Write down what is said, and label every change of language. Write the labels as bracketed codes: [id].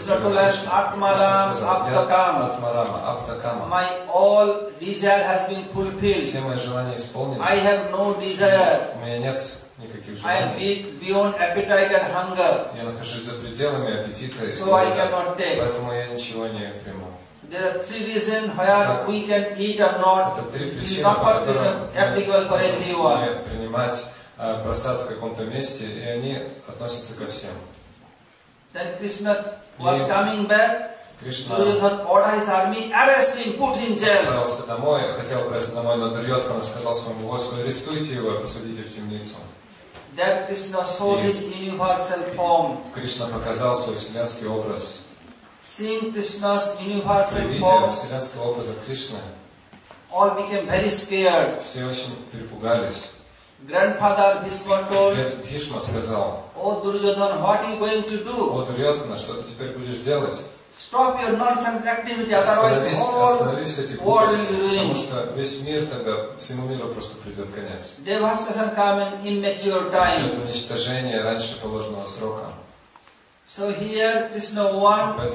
[en] Krishna told, "Атмарам, Аптакама." [sa] Атмарам, Аптакама. [en] My all desire has been fulfilled. [ru] Все мои желания исполнены. [en] I have no desire. [ru] У меня нет никаких желаний. [en] I am beyond appetite and hunger. [ru] Я нахожусь за пределами аппетита. [en] So I cannot take. [ru] Поэтому я ничего не приму. [en] There are three reasons why we can eat or not. [ru] Это три причины, по которым мы можем принимать прасад в каком-то месте, и они относятся ко всем. [en] Then Krishna was coming back. [ru] Кришна отправился домой, хотел отправиться домой на Дурьотху, но сказал своему войску, арестуйте его и посадите в темницу. [en] That Krishna saw his universal form. [ru] Кришна показал свой вселенский образ. [en] Seeing Krishna's universal form. [ru] Видя вселенского образа Кришны. [en] All became very scared. [ru] Все очень перепугались. [en] Grandfather Bhishma told. [ru] Дед Бхишма сказал. [en] Oh Duryodhana, what are you going to do? [ru] О, Дурьотхана, что ты теперь будешь делать? [en] Stop your nonsense activity, otherwise [ru] остановись эти глупости, потому что весь мир тогда, всему миру просто придет конец. [en] Devastation coming in mature time. [ru] Это уничтожение раньше положенного срока. [en] So here Krishna wants